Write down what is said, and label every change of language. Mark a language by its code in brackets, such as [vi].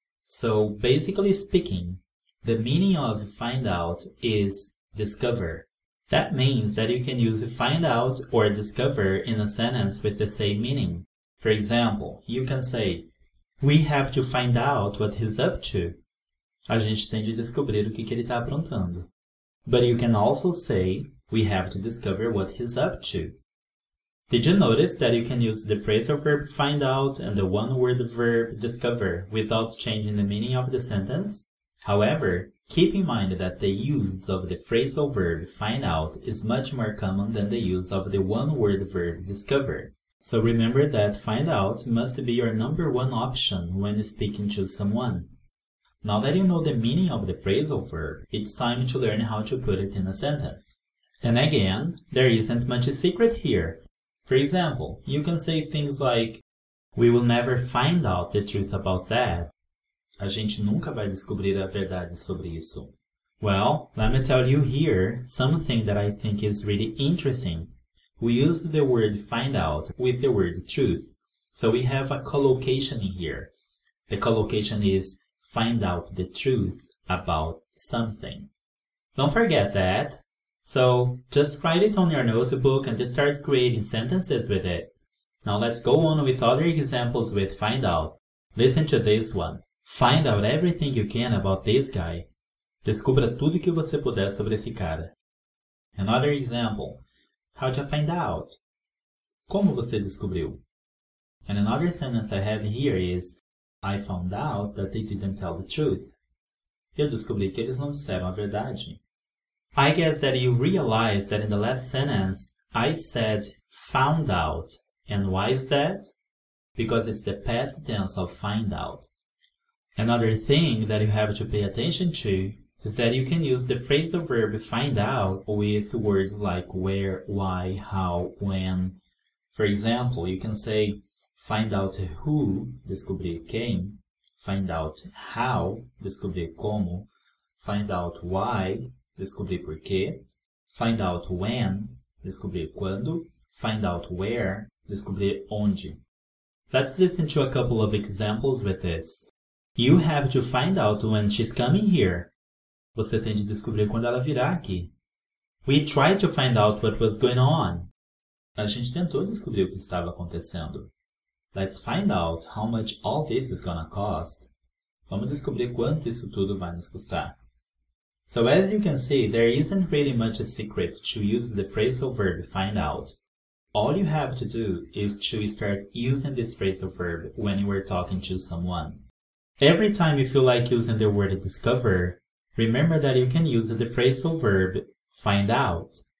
[en] So, basically speaking, the meaning of find out is discover. That means that you can use find out or discover in a sentence with the same meaning. For example, you can say, "We have to find out what he's up to." [pt] A gente tem de descobrir o que ele está aprontando. [en] But you can also say, "We have to discover what he's up to." Did you notice that you can use the phrasal verb find out and the one-word verb discover without changing the meaning of the sentence? However, keep in mind that the use of the phrasal verb find out is much more common than the use of the one-word verb discover. So remember that find out must be your number one option when speaking to someone. Now that you know the meaning of the phrasal verb, it's time to learn how to put it in a sentence. And again, there isn't much secret here. For example, you can say things like, "We will never find out the truth about that." [pt] A gente nunca vai descobrir a verdade sobre isso. [en] Well, let me tell you here something that I think is really interesting. We use the word find out with the word truth. So we have a collocation here. The collocation is find out the truth about something. Don't forget that. So just write it on your notebook and just start creating sentences with it. Now let's go on with other examples with find out. Listen to this one. Find out everything you can about this guy. [pt] Descubra tudo que você puder sobre esse cara. [en] Another example. How to find out? [pt] Como você descobriu? [en] And another sentence I have here is, "I found out that they didn't tell the truth." [pt] Eu descobri que eles não disseram a verdade. [en] I guess that you realize that in the last sentence, I said found out. And why is that? Because it's the past tense of find out. Another thing that you have to pay attention to is that you can use the phrasal verb find out with words like where, why, how, when. For example, you can say find out who, [pt] descobrir quem, [en] find out how, [pt] descobrir como, [en] find out why, [pt] descobrir por quê, [en] find out when, [pt] descobrir quando, [en] find out where, [pt] descobrir onde. [en] Let's listen to a couple of examples with this. You have to find out when she's coming here. [pt] Você tem de descobrir quando ela virá aqui. [en] We tried to find out what was going on. [pt] A gente tentou descobrir o que estava acontecendo. [en] Let's find out how much all this is gonna cost. [pt] Vamos descobrir quanto isso tudo vai nos custar. [en] So as you can see, there isn't really much a secret to use the phrasal verb find out. All you have to do is to start using this phrasal verb when you are talking to someone. Every time you feel like using the word discover, remember that you can use the phrasal verb find out.